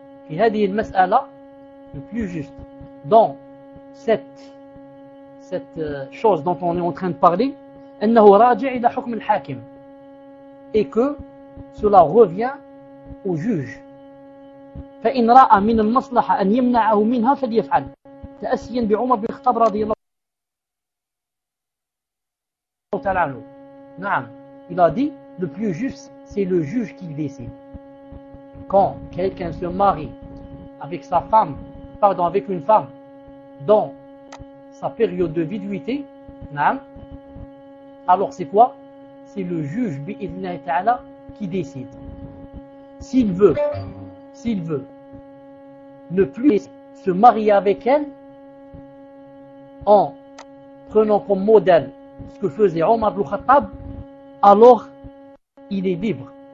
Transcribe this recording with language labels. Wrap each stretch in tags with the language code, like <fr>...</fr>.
<fr>Et</fr> <ar>hadi al mas'ala,</ar> <fr>le plus juste dans cette chose dont on est en train de parler,</fr> <ar>أنه راجع إلى حكم الحاكم.</ar> <fr>Et que cela revient au juge.</fr> <ar>فإن رأى من المصلحة أن يمنعه منها فليفعل. تأسيا بعمر بن الخطاب رضي الله تعالى عنه. نعم.</ar> <fr>Il a dit, le plus juste, c'est le juge qui décide. Quand quelqu'un se marie avec sa femme, pardon, avec une femme, dans sa période de viduité, نعم. Alors c'est quoi? C'est le juge bi'idhnillahi ta'ala qui décide. S'il veut ne plus se marier avec elle, en prenant comme modèle ce que faisait Omar ibn Khattab, alors il est libre.</fr>